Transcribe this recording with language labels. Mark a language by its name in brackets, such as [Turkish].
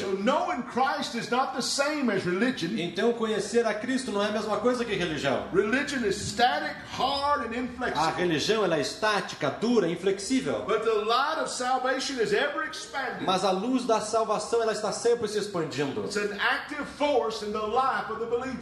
[English] So knowing Christ is not the same as religion. [Portuguese] Então conhecer a Cristo não é a mesma coisa que religião. [English] Religion is static, hard, and inflexible. [Portuguese] A religião ela é estática, dura, inflexível. [English] But the light of salvation is ever expanding. [Portuguese] Mas a luz da salvação ela está sempre se expandindo. [English] It's an active force in the life of the believer.